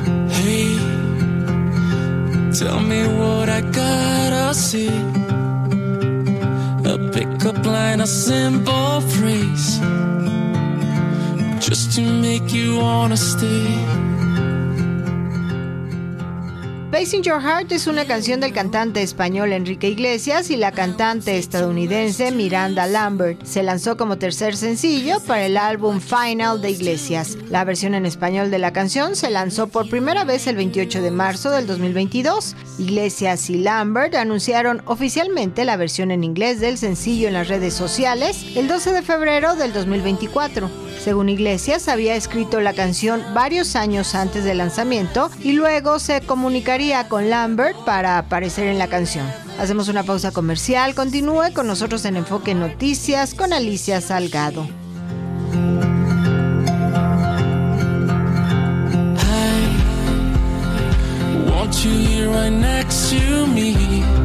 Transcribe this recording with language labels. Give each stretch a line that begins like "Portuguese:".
English: Hey, tell me what I gotta see. A pickup line, a simple phrase. Just to make you wanna stay.
Spanish: Facing Your Heart es una canción del cantante español Enrique Iglesias y la cantante estadounidense Miranda Lambert. Se lanzó como tercer sencillo para el álbum Final de Iglesias. La versión en español de la canción se lanzó por primera vez el 28 de marzo del 2022. Iglesias y Lambert anunciaron oficialmente la versión en inglés del sencillo en las redes sociales el 12 de febrero del 2024. Según Iglesias, había escrito la canción varios años antes del lanzamiento y luego se comunicaría con Lambert para aparecer en la canción. Hacemos una pausa comercial. Continúe con nosotros en Enfoque Noticias con Alicia Salgado.
English: I want you here right next to me.